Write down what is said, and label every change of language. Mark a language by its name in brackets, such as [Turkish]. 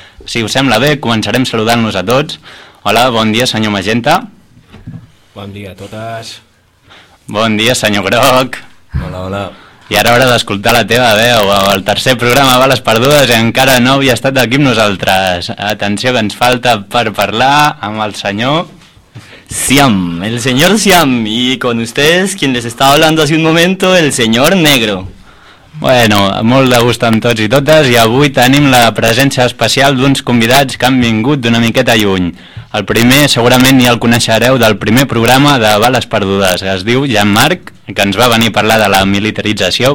[Catalan] Si us sembla bé, començarem saludant-nos a tots. Hola, bon dia, senyor Magenta. Bon dia a totes. Bon dia, senyor Groc. Hola, hola. I ara hora d'escoltar la teva veu. El tercer programa de Bales Perdudes i encara no havia estat aquí amb nosaltres. Atenció, que ens falta per parlar amb el senyor... [Spanish] Siam, el señor Siam, y con ustedes, quien les estaba hablando hace un momento, el señor Negro. [Catalan] Bueno, molt de gust amb tots i totes, i avui tenim la presència especial d'uns convidats que han vingut d'una miqueta lluny. El primer, segurament ja el coneixereu, del primer programa de Bales Perdudes, es diu Jean-Marc, que ens va venir a parlar de la militarització.